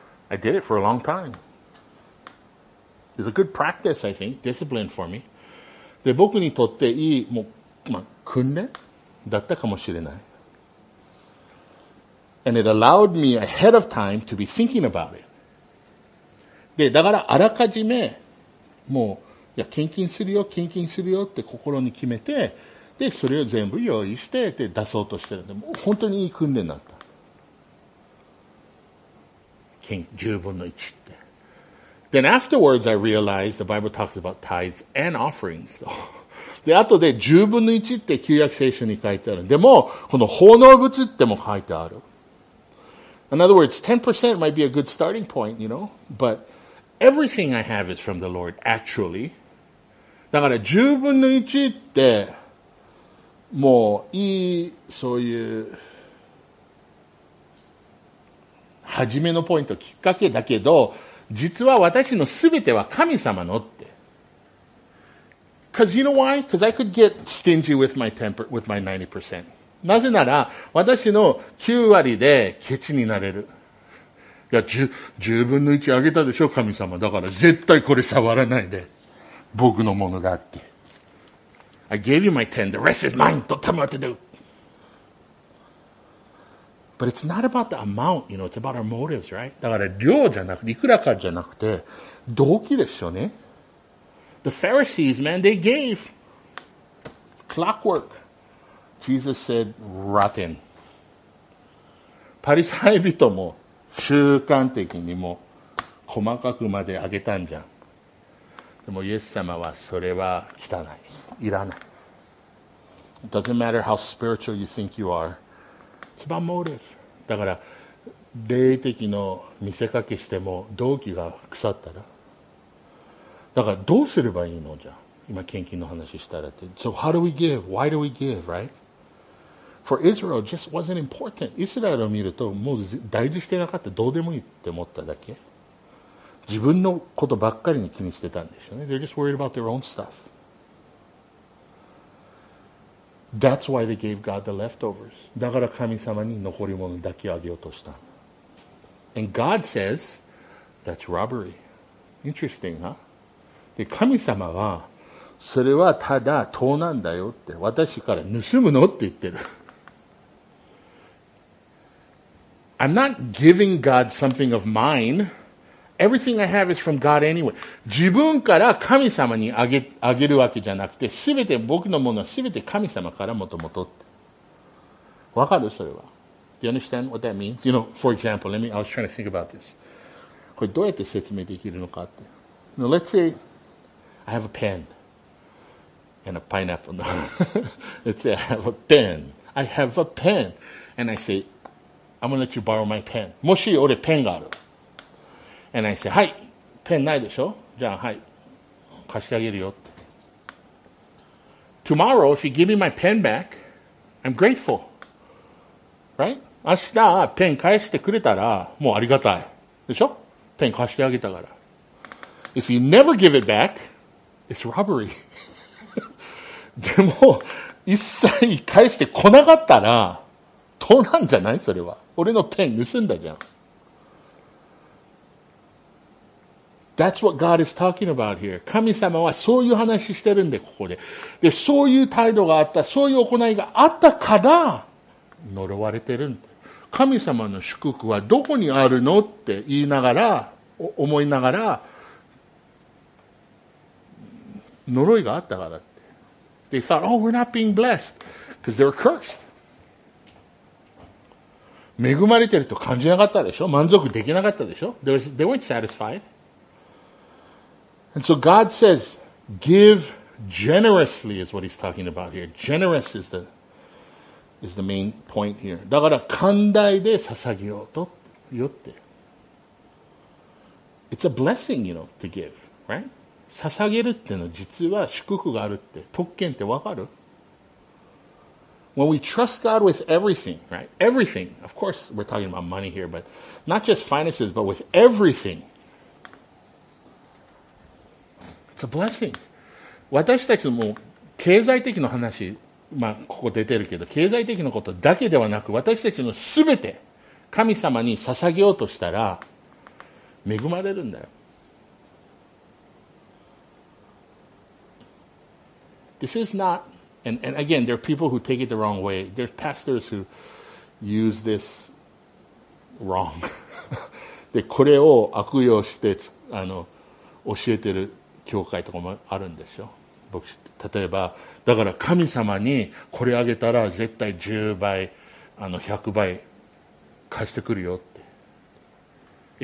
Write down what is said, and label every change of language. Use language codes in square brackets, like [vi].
[en] I did it for a long time. It's a good practice, I think. Discipline for me. [ja] で、僕にとっていい、もう、まあ、訓練だったかもしれない。 [en] And it allowed me ahead of time to be thinking about it. [ja] で、だからあらかじめ、もう、いや、献金するよって心に決めて、で、それを全部用意して、で、出そうとしてるんで、もう本当にいい訓練だった。 10分の1って。 [en] Then afterwards I realized the Bible talks about tithes and offerings. [ja] で、後で10分の1って旧約聖書に書いてある。でも、この奉納物っても書いてある。 [en] In other words, 10% might be a good starting point, you know, but everything I have is from the Lord, actually. [ja] だから10分の1って、もういい、そういう、はじめのポイント、きっかけだけど、実は私のすべては神様のって。 [en] Because you know why? Because I could get stingy with my temper, with my 90%. [ja] なぜなら、私の9割でケチになれる。いや、10分の1あげたでしょ、神様。だから絶対これ触らないで。僕のものだって。 [en] I gave you my 10, the rest is mine. Don't tell me what to do. But it's not about the amount, you know, it's about our motives, right? [ja] だから量じゃなくて、いくらかじゃなくて、動機ですよね。 [en] The Pharisees, man, they gave clockwork. Jesus said, rotten. [ja] パリサイ人も習慣的にも細かくまであげたんじゃん。でもイエス様はそれは汚い。いらない。 [en] It doesn't matter how spiritual you think you are. It's about motives. [ja] だから、霊的の見せかけしても動機が腐ったら。だからどうすればいいのじゃん。今献金の話したらって。 [en] So how do we give? Why do we give, right? For Israel, it just wasn't important. [ja] イスラエルを見るともう大事してなかった。どうでもいいって思っただけ。自分のことばっかりに気にしてたんでしょうね。 [en] They're just worried about their own stuff. That's why they gave God the leftovers. [ja] だから神様に残り物だけあげようとした。 [en] And God says, that's robbery. Interesting, huh? [ja] で、神様は、それはただ盗難だよって、私から盗むのって言ってる。 [en] I'm not giving God something of mine. Everything I have is from God anyway. [ja] 自分から神様にあげるわけじゃなくて、すべて僕のものはすべて神様からもともとって。わかるそれは。 [en] Do you understand what that means? You know, for example, I was trying to think about this. [ja] これどうやって説明できるのかって。 [en] Now, let's say, I have a pen. And a pineapple. No. let's say I have a pen. I have a pen. And I say, I'm going to let you borrow my pen. [ja] もし俺ペンがある。 [en] And I say, [ja] はい、ペンないでしょ? じゃあ、はい、貸してあげるよって。 [en] Tomorrow, if you give me my pen back, I'm grateful. Right? [ja] 明日、ペン返してくれたら、もうありがたい。でしょ?ペン貸してあげたから。 [en] If you never give it back, it's robbery. [ja] でも、一切返してこなかったら、盗難じゃない?それは。俺のペン盗んだじゃん。 [en] That's what God is talking about here. [ja] 神様はそういう話してるんで、ここで。で、そういう態度があった、そういう行いがあったから、呪われてるんで。神様の祝福はどこにあるのって言いながら、思いながら、呪いがあったからって。 [en] They thought, oh, we're not being blessed. Because they were cursed. [ja] 恵まれてると感じなかったでしょ?満足できなかったでしょ? [en] They weren't satisfied. And so God says, give generously is what he's talking about here. Generous is the main point here. [ja] だから寛大で捧げようとよって。 [en] It's a blessing, you know, to give, right? [ja] 捧げるっての実は祝福があるって。特権ってわかる? [en] When we trust God with everything, right? Everything. Of course, we're talking about money here, but not just finances, but with everything. It's a blessing. [ja] 私たちも経済的な話、まあ、ここ出てるけど経済的なことだけではなく私たちのすべて神様に捧げようとしたら恵まれるんだよ。 [en] This is not and again there are people who take it the wrong way. There are pastors who use this wrong. [ja] でこれを悪用して教えてる教会とかもあるんでしょ。僕例えばだから神様にこれあげたら絶対10倍100倍貸してくるよって。